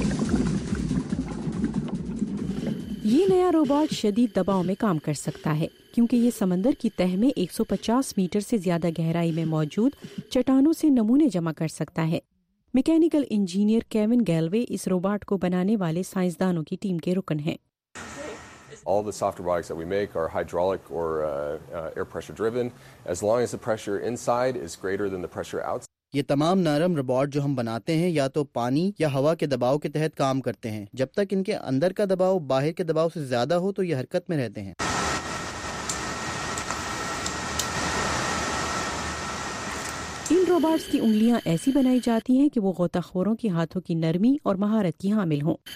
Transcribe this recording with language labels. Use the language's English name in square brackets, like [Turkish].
[Urdu] یہ نیا روبوٹ شدید دباؤ میں کام کر سکتا ہے کیونکہ یہ سمندر کی تہہ میں 150 میٹر سے زیادہ گہرائی میں موجود چٹانوں سے نمونے جمع کر سکتا ہے. میکینیکل انجینئر کیوین گیلوے اس روبوٹ کو بنانے والے سائنسدانوں کی ٹیم کے رکن ہیں. [English] All the soft robotics that we make are hydraulic or air pressure driven. As long as the pressure inside is greater than the pressure outside. [Urdu] یہ تمام نرم روبوٹ جو ہم بناتے ہیں یا تو پانی یا ہوا کے دباؤ کے تحت کام کرتے ہیں. جب تک ان کے اندر کا دباؤ باہر کے دباؤ سے زیادہ ہو تو یہ حرکت میں رہتے ہیں. ان روبوٹس کی انگلیاں ایسی بنائی جاتی ہیں کہ وہ غوطہ خوروں کی ہاتھوں کی نرمی اور مہارت کی حامل ہوں.